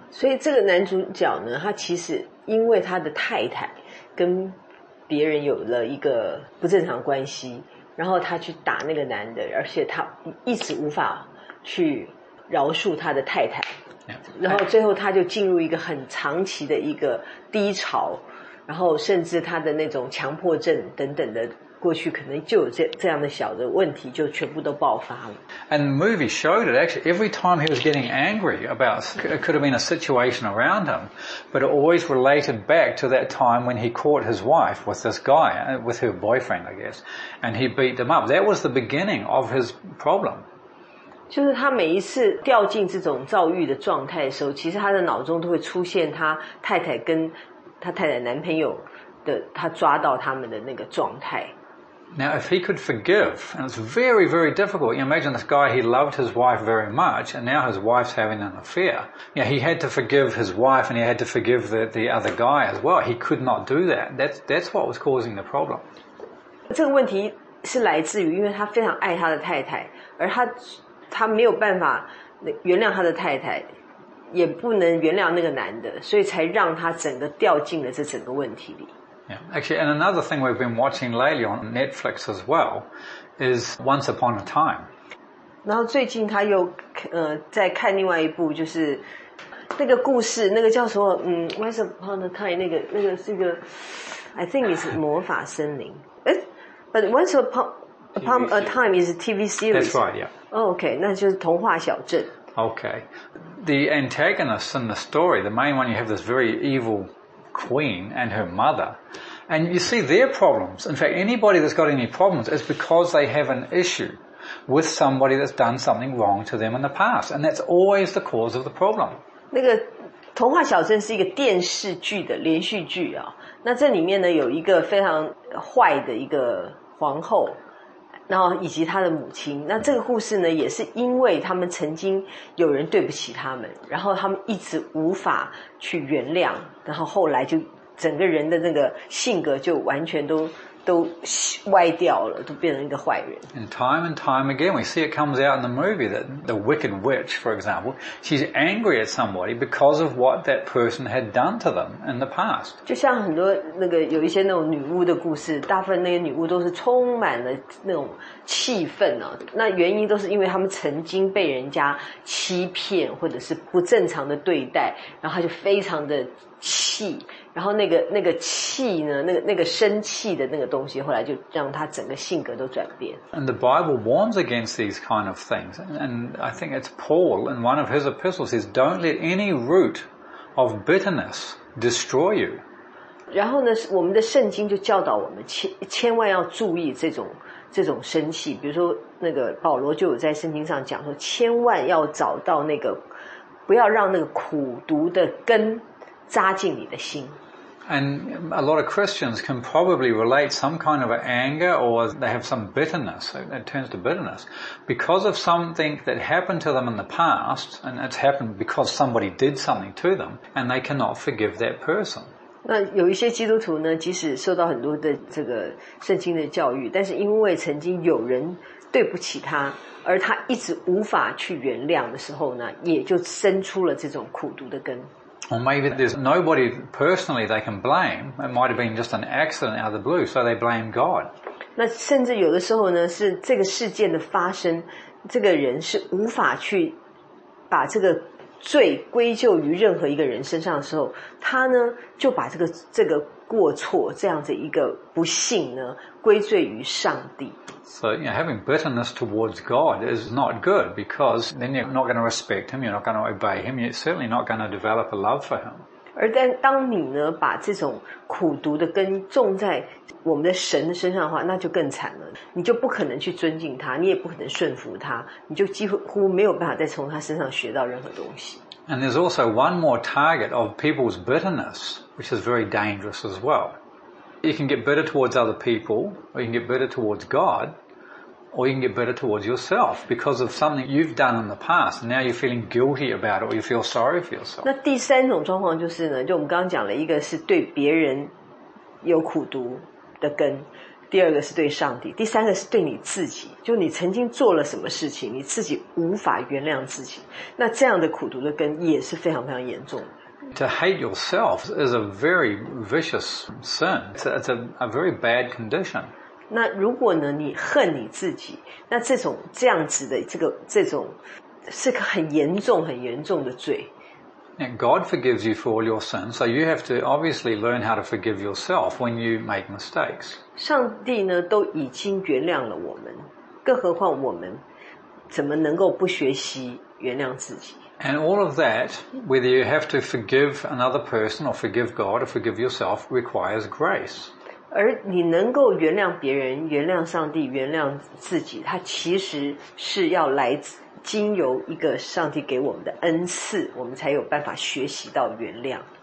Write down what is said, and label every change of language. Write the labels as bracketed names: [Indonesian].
[Chinese] 所以这个男主角呢，他其实因为他的太太跟别人有了一个不正常关系，然后他去打那个男的，而且他一直无法去饶恕他的太太。然后最后他就进入一个很长期的一个低潮，然后甚至他的那种强迫症等等的。过去可能就有这样的小的问题就全部都爆发了。 [English] And the movie showed it actually every time he was getting angry about it could have been a situation around him, but it always related back to that time when he caught his wife with this guy, with her boyfriend, I guess, and he beat them up. That was the beginning of his problem. [Chinese] 就是他每一次掉进这种躁郁的状态的时候，其实他的脑中都会出现他太太跟他太太男朋友的他抓到他们的那个状态。 [English] Now, if he could forgive, and it's very, very difficult. You imagine this guy, he loved his wife very much, and now his wife's having an affair. Yeah, he had to forgive his wife, and he had to forgive the other guy as well. He could not do that. That's what was causing the problem. [Chinese] 这个问题是来自于，因为他非常爱他的太太，而他没有办法原谅他的太太，也不能原谅那个男的，所以才让他整个掉进了这整个问题里。 [English] Yeah. Actually, and another thing we've been watching lately on Netflix as well is Once Upon a Time. [Chinese] 然后最近他又在看另外一部，就是那个故事，那个叫什么？ Once Upon a Time 那个是一个 ， [English] I think it's [Chinese] 魔法森林。 [English] But Once Upon a Time is a TV series. That's right. Yeah. Oh, okay, [Chinese] 那就是童话小镇。 [English] Okay, the antagonists in the story, the main one, you have this very evil. Queen and her mother, and you see their problems. In fact, anybody that's got any problems is because they have an issue with somebody that's done something wrong to them in the past, and that's always the cause of the problem. [Chinese] 那个童话小镇是一个电视剧的连续剧啊。那这里面呢有一个非常坏的一个皇后，然后以及她的母亲。那这个故事呢也是因为他们曾经有人对不起他们，然后他们一直无法去原谅。然后后来就整个人的那个性格就完全都歪掉了，都变成一个坏人。 [English] And time and time again, we see it comes out in the movie that the Wicked Witch, for example, she's angry at somebody because of what that person had done to them in the past. [Chinese] 就像很多那个有一些那种女巫的故事，大部分那些女巫都是充满了那种气愤啊。那原因都是因为他们曾经被人家欺骗或者是不正常的对待，然后她就非常的气。然后那个气呢，那个生气的那个东西，后来就让他整个性格都转变。 [English] And the Bible warns against these kind of things, and I think it's Paul in one of his epistles says, "Don't let any root of bitterness destroy you." [Chinese] 然后呢，我们的圣经就教导我们千万要注意这种生气。比如说那个保罗就有在圣经上讲说，千万要找到那个，不要让那个苦毒的根扎进你的心。 [English] And a lot of Christians can probably relate some kind of anger, or they have some bitterness, it turns to bitterness, because of something that happened to them in the past, and it's happened because somebody did something to them, and they cannot forgive that person. [Chinese] 那有一些基督徒呢，即使受到很多的这个圣经的教育，但是因为曾经有人对不起他，而他一直无法去原谅的时候呢，也就生出了这种苦毒的根。 [English] Or maybe there's nobody personally they can blame. It might have been just an accident out of the blue, so they blame God. [Chinese] 那甚至有的时候呢，是这个事件的发生，这个人是无法去把这个罪归咎于任何一个人身上的时候，他呢就把这个过错这样子一个不幸呢归罪于上帝。 [English] So, you know, having bitterness towards God is not good, because then you're not going to respect Him, you're not going to obey Him, you're certainly not going to develop a love for Him. [Chinese] 而当你呢把这种苦毒的根种在我们的神的身上的话，那就更惨了。你就不可能去尊敬他，你也不可能顺服他，你就几乎没有办法再从他身上学到任何东西。 [English] And there's also one more target of people's bitterness, which is very dangerous as well. You can get bitter towards other people, or you can get bitter towards God, or you can get bitter towards yourself because of something you've done in the past, and now you're feeling guilty about it, or you feel sorry for yourself. [Chinese] 那第三种状况就是呢，就我们刚刚讲了一个是对别人有苦毒的根，第二个是对上帝，第三个是对你自己，就你曾经做了什么事情，你自己无法原谅自己，那这样的苦毒的根也是非常非常严重的。 [English] To hate yourself is a very vicious sin. It's a very bad condition. [Chinese] 那如果呢，你恨你自己，那这样子的这种是个很严重、很严重的罪。 [English] And God forgives you for all your sins, so you have to obviously learn how to forgive yourself when you make mistakes. [Chinese] 上帝呢都已经原谅了我们，更何况我们怎么能够不学习原谅自己？ [English] And all of that, whether you have to forgive another person or forgive God or forgive yourself, requires grace. [Chinese] 而你能够原谅别人、原谅上帝、原谅自己，它其实是要来经由一个上帝给我们的恩赐，我们才有办法学习到原谅。